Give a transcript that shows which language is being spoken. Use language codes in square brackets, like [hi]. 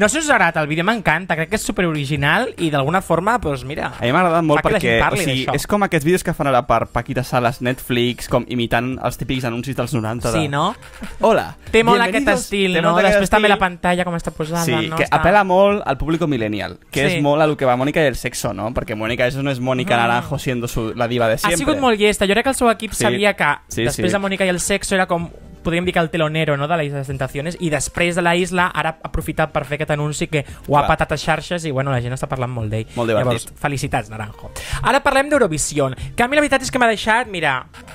[ca] No sé si us ha agradat el vídeo, m'encanta. Crec que és superoriginal i d'alguna forma, doncs mira... A mi m'ha agradat molt perquè és com aquests vídeos que fan ara per Paquita Salas, Netflix, com imitant els típics anuncis dels 90. Sí, no? Hola. Té molt aquest estil, no? Després també la pantalla com està posada. Sí, no? Que està... apel·la molt al públic millennial, que sí. És molt a lo que va Mónica y el sexo, ¿no? [es] Porque Mónica, eso no es Mónica Naranjo siendo la diva de siempre. [ca] Ha sigut molt llesta. Jo crec que el seu equip sabia que després de Mónica y el sexo era com, podríem dir que el telonero, no?, de la Isla de las Tentaciones, i després de la Isla, ara ha aprofitat per fer aquest anunci que ho ha patat a xarxes i, bueno, la gent està parlant molt d'ell. Molt divertit. Llavors, felicitats, Naranjo. Ara parlem d'Eurovisió, que a mi la veritat és que m'ha deixat, mira,